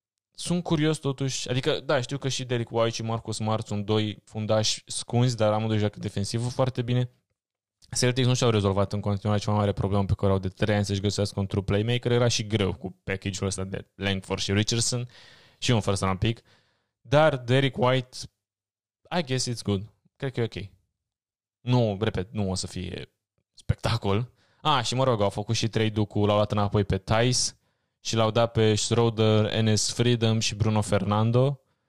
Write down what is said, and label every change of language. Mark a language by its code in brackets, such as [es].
[ro] Sunt curios totuși, adică da, știu că și Derrick White și Marcus Smart sunt doi fundași scunzi, dar amândoi joacă defensivul foarte bine. Celtics nu și-au rezolvat în continuare cea mai mare problemă pe care au de 3 ani să-și găsească un true playmaker. Era și greu cu package-ul ăsta de Langford și Richardson și un first round pick. Dar [en] Derrick White, I guess it's good. [ro] Cred că e ok. Nu, repet, nu o să fie spectacol. Ah, și mă rog, au făcut și trade-ul cu, l-au luat înapoi pe Tice și l-au dat pe Schroeder, Enes Freedom și Bruno Fernando.